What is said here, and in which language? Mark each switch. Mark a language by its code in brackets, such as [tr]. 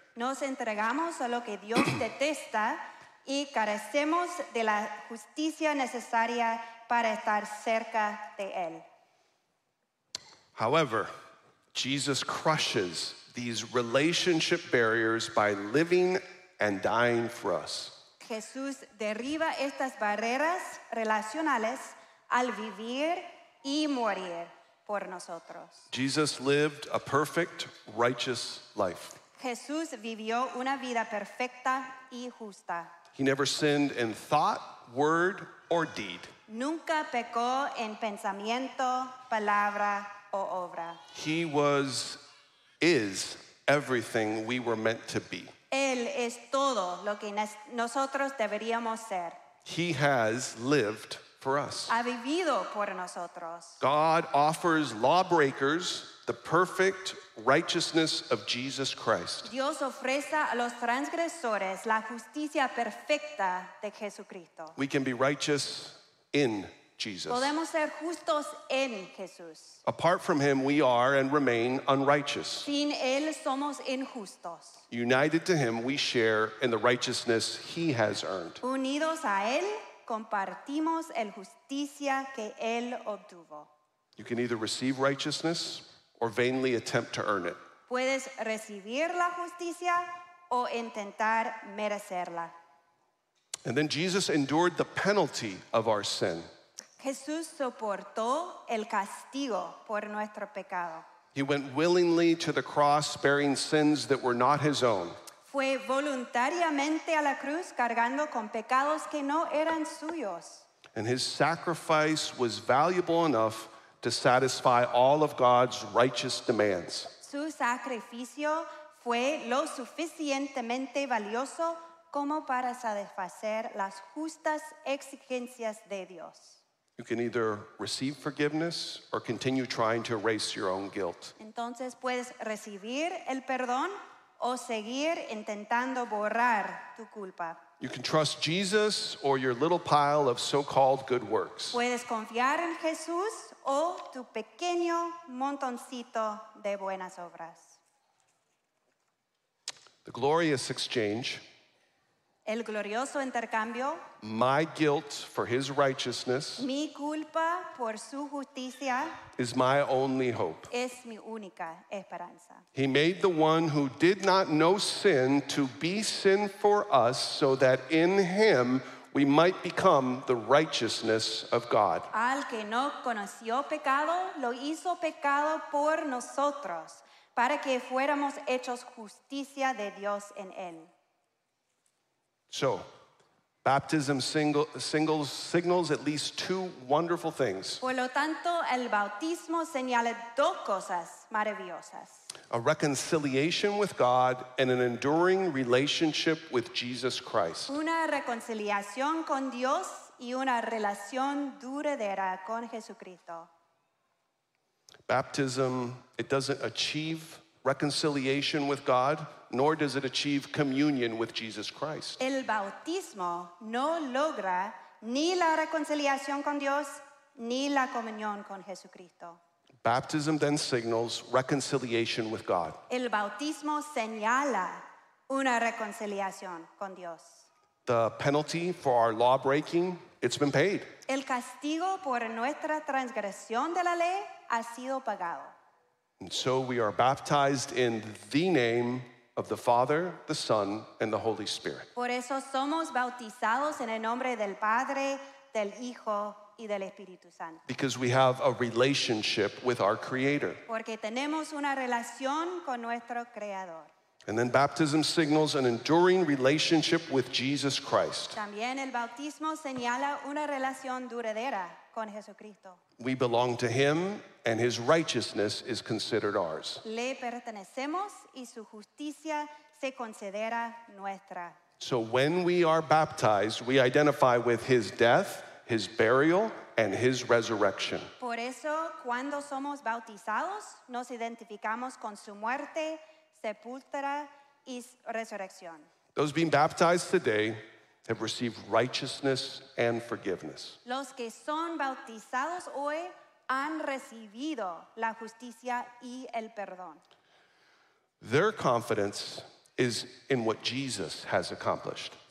[es] Nos entregamos a lo que Dios detesta, y carecemos de la justicia necesaria para estar cerca de él. [en] However, Jesus crushes these relationship barriers by living and dying for us. [es] Jesús derriba estas barreras relacionales al vivir y morir por nosotros. [en] Jesus lived a perfect, righteous life. [es] Jesús vivió una vida perfecta y justa. [en] He never sinned in thought, word, or deed. [es] Nunca pecó en pensamiento, palabra, o obra. [en] He was, is everything we were meant to be. [es] Él es todo lo que nosotros deberíamos ser. [en] He has lived for us. [es] Ha vivido por nosotros. [en] God offers lawbreakers the perfect righteousness of Jesus Christ. [es] Dios ofrece a los transgresores la justicia perfecta de Jesucristo. [en] We can be righteous in Jesus. [es] Podemos ser justos en Jesús. [en] Apart from him, we are and remain unrighteous. [es] Sin él somos injustos. [en] United to him, we share in the righteousness he has earned. [es] Unidos a él, compartimos el justicia que él obtuvo. [en] You can either receive righteousness or vainly attempt to earn it. [es] Puedes recibir la justicia o intentar merecerla. [en] And then Jesus endured the penalty of our sin. [es] Jesús soportó el castigo por nuestro pecado. [en] He went willingly to the cross, bearing sins that were not his own. [es] Fue voluntariamente a la cruz cargando con pecados que no eran suyos. [en] And his sacrifice was valuable enough to satisfy all of God's righteous demands. [es] Su sacrificio fue lo suficientemente valioso como para satisfacer las justas exigencias de Dios. [en] You can either receive forgiveness or continue trying to erase your own guilt. [es] Entonces puedes recibir el perdón o seguir intentando borrar tu culpa. [en] You can trust Jesus or your little pile of so-called good works. [es] Puedes confiar en Jesús o tu pequeño montoncito de buenas obras. [en] The glorious exchange. [es] El glorioso intercambio. [en] My guilt for his righteousness. [es] Mi culpa por su justicia. [en] Is my only hope. [es] Es mi única esperanza. [en] He made the one who did not know sin to be sin for us so that in him we might become the righteousness of God. [es] Al que no conoció pecado, lo hizo pecado por nosotros, para que fuéramos hechos justicia de Dios en él. [en] So, baptism signals at least two wonderful things. [es] Por lo tanto, el bautismo señala dos cosas maravillosas. [en] A reconciliation with God and an enduring relationship with Jesus Christ. [es] Una reconciliación con Dios y una relación duradera con Jesucristo. [en] Baptism, it doesn't achieve reconciliation with God, nor does it achieve communion with Jesus Christ. [es] El bautismo no logra ni la reconciliación con Dios ni la comunión con Jesucristo. [en] Baptism then signals reconciliation with God. [es] El bautismo señala una reconciliación con Dios. [en] The penalty for our law breaking, it's been paid. [es] El castigo por nuestra transgresión de la ley ha sido pagado. [en] And so we are baptized in the name of the Father, the Son, and the Holy Spirit. [es] Por eso somos bautizados en el nombre del Padre, del Hijo, y del Espíritu Santo. [en] Because we have a relationship with our Creator. [es] Porque tenemos una relación con nuestro Creador. [en] And then baptism signals an enduring relationship with Jesus Christ. [es] También el bautismo señala una relación duradera con Jesucristo. [en] We belong to Him, and His righteousness is considered ours. [es] Le pertenecemos y su justicia se considera nuestra. [en] So when we are baptized, we identify with His death, His burial, and His resurrection. [es] Por eso, cuando somos bautizados, nos identificamos con su muerte, sepultura y resurrección. [en] Those being baptized today have received righteousness and forgiveness. [es] Los que son bautizados hoy han recibido la justicia y el perdón. [en] Their confidence is in what Jesus has accomplished.